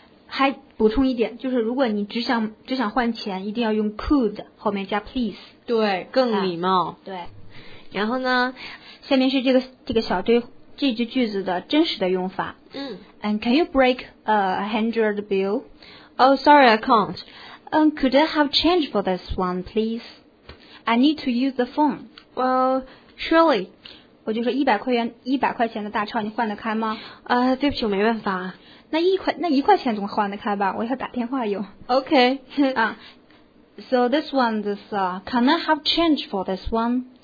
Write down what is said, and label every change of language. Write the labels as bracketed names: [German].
[Chinese] 还补充一点，就是如果你只想换钱，一定要用 could 后面加 please，对，更礼貌。对，然后呢下面是这个小对这句句子的真实的用法。 [English] And can you break $100 bill? Oh sorry I can't. Could I have change for this one please? I need to use the phone. Well surely. [Chinese] 我就说100块钱的大钞你换得开吗？对不起我没办法。那一块钱怎么换得开吧，我要打电话用。 [English] OK. So this one is, can I have change for this one?